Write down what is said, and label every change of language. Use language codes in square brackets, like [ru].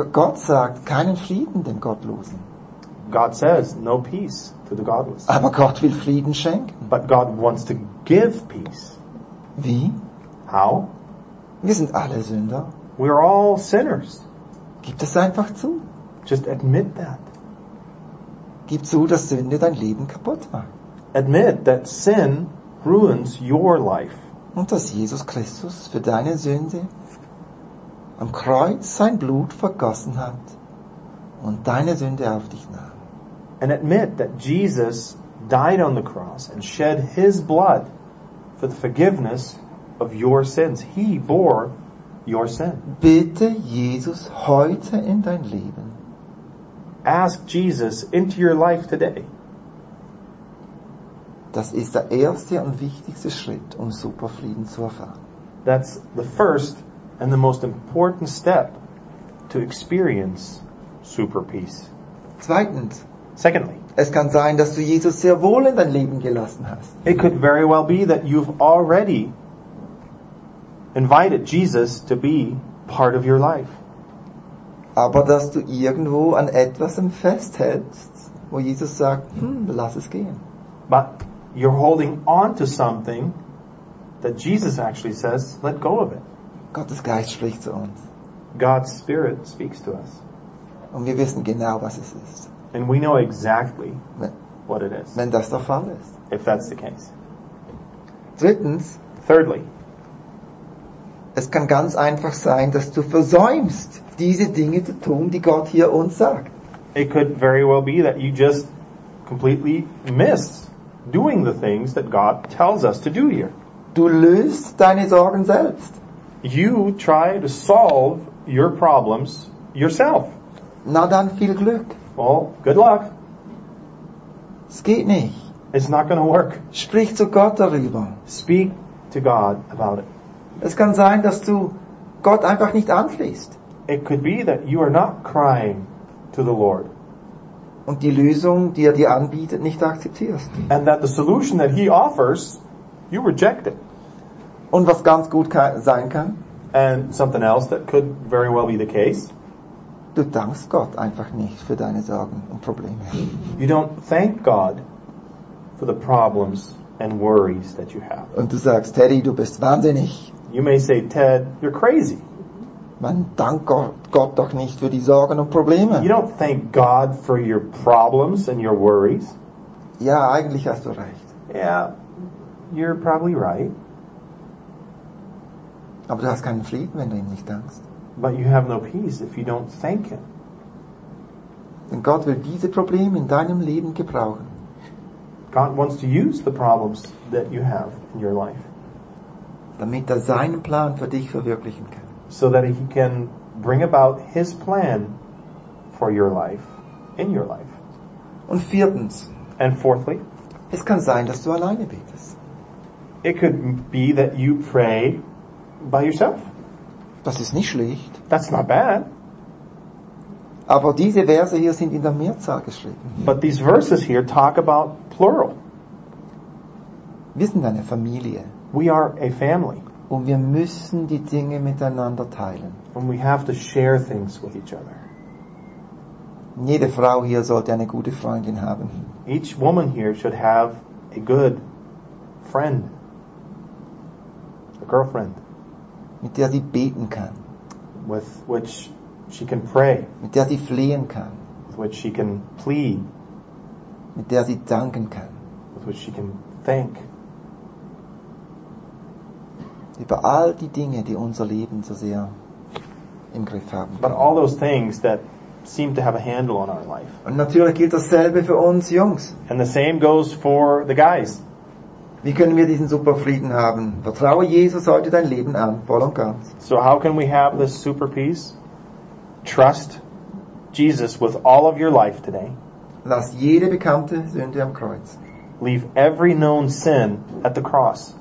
[de] Gott sagt, keinen Frieden dem Gottlosen. [en] God says, no peace to the godless. [de] Aber Gott will Frieden schenken. [en] But God wants to give peace. [de] Wie? [en] How? [de] Wir sind alle Sünder. [en] We're all sinners. [de] Gib das einfach zu. [en] Just admit that. [de] Gib zu, dass Sünde dein Leben kaputt macht. [en] Admit that sin ruins your life. [de] Und dass Jesus Christus für deine Sünde am Kreuz sein Blut vergossen hat und deine Sünde auf dich nahm. [en] And admit that Jesus died on the cross and shed his blood for the forgiveness of your sins. He bore your sin. [de] Bitte Jesus heute in dein Leben. [en] Ask Jesus into your life today. [de] Das ist der erste und wichtigste Schritt, um Superfrieden zu erfahren. [en] That's the first and the most important step to experience super peace. [de] Zweitens. [en] Secondly. [de] Es kann sein, dass du Jesus sehr wohl in dein Leben gelassen hast. [en] It could very well be that you've already invited Jesus to be part of your life. [de] Aber dass du irgendwo an etwas festhältst, wo Jesus sagt, lass es gehen. [en] But you're holding on to something that Jesus actually says, let go of it. [de] Gottes Geist spricht zu uns. [en] God's Spirit speaks to us. [de] Und wir wissen genau, was es ist. [en] And we know exactly what it is. [de] Wenn das der Fall ist. [en] If that's the case. [de] Drittens. [en] Thirdly. [de] Es kann ganz einfach sein, dass du versäumst, diese Dinge zu tun, die Gott hier uns sagt. [en] It could very well be that you just completely miss doing the things that God tells us to do here. [de] Du löst deine Sorgen selbst. [en] You try to solve your problems yourself. [de] Na dann, viel Glück. [en] Well, good luck. [de] Es geht nicht. [en] It's not going to work. [de] Sprich zu Gott darüber. [en] Speak to God about it. [de] Es kann sein, dass du Gott einfach nicht anflehst. [en] It could be that you are not crying to the Lord. [de] Und die Lösung, die er dir anbietet, nicht akzeptierst. [en] And that the solution that he offers, you reject it. [de] Und was ganz gut sein kann. [en] And something else that could very well be the case. [de] Du dankst Gott einfach nicht für deine Sorgen und Probleme. [en] You don't thank God for the problems and worries that you have. [de] Und du sagst, Teddy, du bist wahnsinnig. [en] You may say, Ted, you're crazy. [de] Man dankt Gott doch nicht für die Sorgen und Probleme. [en] You don't thank God for your problems and your worries. [de] Ja, eigentlich hast du recht. [en] Yeah, you're probably right. [de] Aber du hast keinen Frieden, wenn du ihm nicht dankst. [en] But you have no peace if you don't thank him. [de] Denn Gott will diese Probleme in deinem Leben gebrauchen. [en] God wants to use the problems that you have in your life. [de] Damit er seinen Plan für dich verwirklichen kann. [en] So that he can bring about his plan for your life, in your life. [de] Und viertens. [en] And fourthly. [de] Es kann sein, dass du alleine betest. [en] It could be that you pray by yourself. [de] Das ist nicht schlecht. [en] That's not bad. [de] Aber diese Verse hier sind in der Mehrzahl geschrieben. [en] But these verses here talk about plural. [de] Wir sind eine Familie. [en] We are a family. [de] Und wir müssen die Dinge miteinander teilen. [en] And we have to share things with each other. [de] Jede Frau hier sollte eine gute Freundin haben. [en] Each woman here should have a good friend. A girlfriend. [de] Mit der sie beten kann. [en] With which she can pray. [de] Mit der sie flehen kann. [en] With which she can plead. [de] Mit der sie danken kann. [en] With which she can thank. [de] Über all die Dinge, die unser Leben so sehr im Griff haben. [en] But all those things that seem to have a handle on our life. [de] Und natürlich gilt dasselbe für uns Jungs. [en] And the same goes for the guys. [de] Wie können wir diesen super Frieden haben? Vertraue Jesus heute dein Leben an, voll und ganz. [en] So how can we have this super peace? Trust Jesus with all of your life today. [de] Lass jede bekannte Sünde am Kreuz. [en] Leave every known sin at the cross.